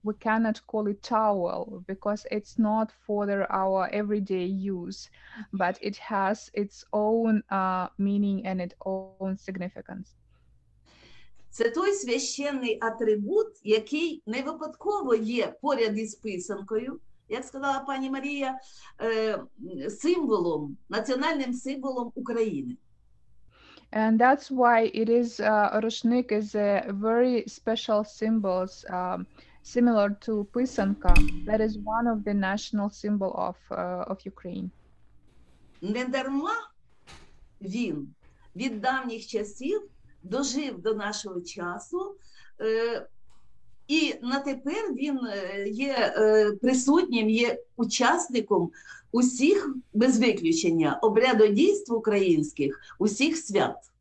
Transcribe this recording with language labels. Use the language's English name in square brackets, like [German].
[English] We cannot call it towel because it's not for their, our everyday use, but it has its own meaning and its own significance. [Ukrainian] Це той священний атрибут, який не випадково є поряд із писанкою, як сказала пані Марія, символом, національним символом України. [English] And that's why it is рушник is a very special symbol, similar to писанка, that is one of the national symbol of Ukraine. [Ukrainian] Не дарма він від давніх часів дожив до нашого часу, і на тепер він є присутнім, є учасником усіх, без виключення, обрядодійств українських, усіх свят.